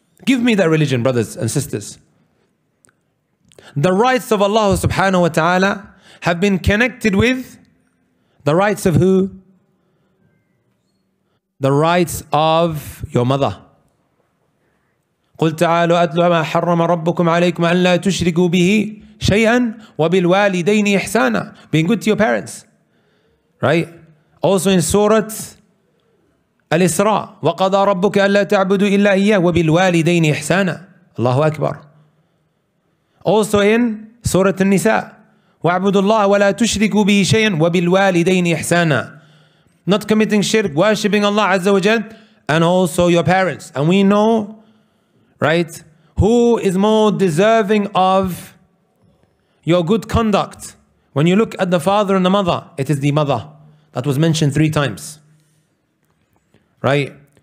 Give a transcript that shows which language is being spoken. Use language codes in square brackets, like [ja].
[en] Give me that religion, brothers and sisters. The rights of Allah subhanahu wa ta'ala have been connected with the rights of who? The rights of your mother. [ar] قُلْ تَعَالُوا أَتْلُوا مَا حَرَّمَ رَبُّكُمْ عَلَيْكُمْ أَنْ لَا تُشْرِكُوا بِهِ شَيْئًا وَبِالْوَالِدَيْنِ إِحْسَانًا. [en] Being good to your parents, right? [ar] Also in Surah Al-Isra, وَقَضَى رَبُّكَ أَلَّا تَعْبُدُوا إِلَّا إِيَّا وَبِالْوَالِدَيْنِ إِحْسَانًا. Allahu Akbar. Also in Surah Al-Nisa, وَعْبُدُوا اللَّهَ وَلَا تُشْرِكُوا بِهِ شَيْئًا وَبِالْوَالِدَيْنِ إِحْسَانًا. [en] Not committing shirk, worshipping Allah Azza wa Jal, and also your parents. And we know, right, who is more deserving of your good conduct. When you look at the father and the mother, it is the mother that was mentioned three times. Right?